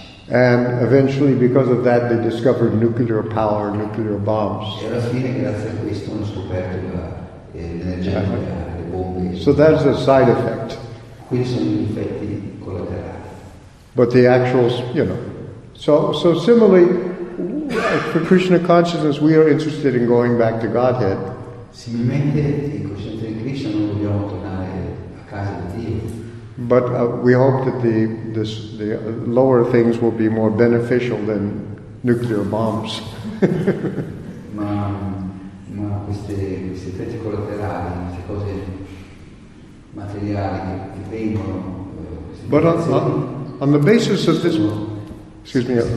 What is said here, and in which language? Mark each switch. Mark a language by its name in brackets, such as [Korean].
[English] And eventually, because of that, they discovered nuclear power, nuclear bombs. [Italian] E alla fine, grazie a questo, hanno scoperto l'energia nucleare, le bombe. [English] So that's a side effect. [Italian] Quindi sono gli effetti collaterali. [English] But the actual, you know, so similarly, for Krishna consciousness, we are interested in going back to Godhead. [Italian] Similmente, in coscienza di Krishna, non vogliamo tornare a casa di Dio. [English] But we hope that the lower things will be more beneficial than nuclear bombs. [Italian] ma queste effetti collaterali, queste cose materiali che vengono. [English] But on the basis of this, excuse me.